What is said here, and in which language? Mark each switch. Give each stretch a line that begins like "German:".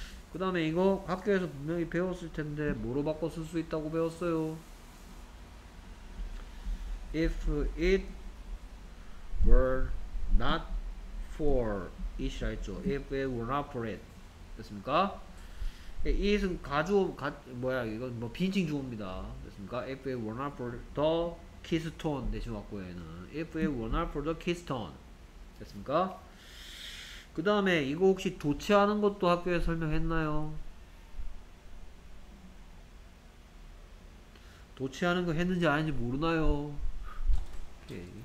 Korean: 그 다음에 이거 학교에서 분명히 배웠을 텐데 뭐로 바꿔 쓸 수 있다고 배웠어요?
English: If it were not for it이라 했죠. If it were not for it.
Korean: 됐습니까? it은 가주어, 뭐야 이건 뭐 빈칭 주어입니다. 됐습니까?
English: If it were not for the keystone
Korean: 대신 왔고요.
English: If it were not for the keystone.
Korean: 됐습니까? 그 다음에 이거 혹시 도치하는 것도 학교에서 설명했나요? 도치하는 거 했는지 아닌지 모르나요? 오케이.